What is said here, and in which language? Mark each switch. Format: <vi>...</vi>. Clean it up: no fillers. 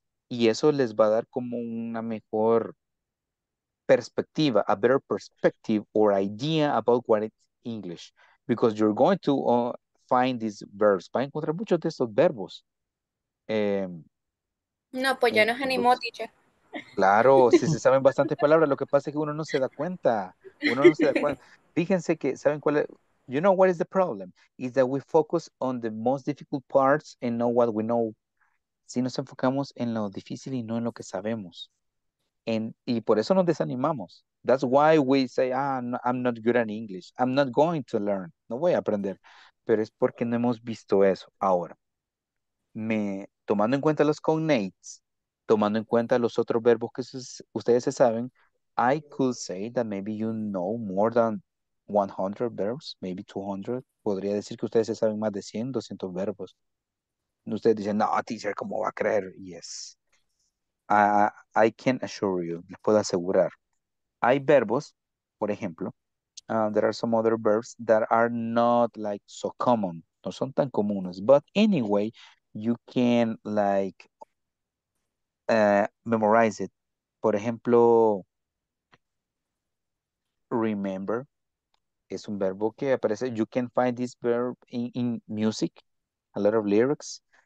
<es>Y eso les va a dar como una mejor perspectiva,</es> <en>a better perspective or idea about what is English. Because you're going to find these verbs.</en> <es>Va a encontrar muchos de estos verbos. No, pues ya nos animó, teacher. Claro, si se saben bastantes palabras, lo que pasa es que uno no se da cuenta. Uno no se da cuenta. Fíjense que, ¿saben cuál es?</es> <en>You know what is the problem? Is that we focus on the most difficult parts and not what we know.</en> <es>Si nos enfocamos en lo difícil y no en lo que sabemos. Y por eso nos desanimamos.</es> <en>That's why we say, no, I'm not good at English. I'm not going to learn.</en> <es>No voy a aprender. Pero es porque no hemos visto eso. Ahora, tomando en cuenta los cognates, tomando en cuenta los otros verbos que ustedes se saben,</es> <en>I could say that maybe you know more than 100 verbs, maybe 200.</en> <es>Podría decir que ustedes se saben más de 100, 200 verbos. Ustedes dicen, no, teacher, ¿cómo va a creer?</es> <en>Yes. I can assure you,</en> <es>les puedo asegurar. Hay verbos, por ejemplo,</es> <en>there are some other verbs that are not like so common.</en> <es>No son tan comunes.</es> <en>But anyway, you can like memorize it.</en> <es>Por ejemplo, remember es un verbo que aparece.</es> <en>You can find this verb in music, a lot of lyrics.</en>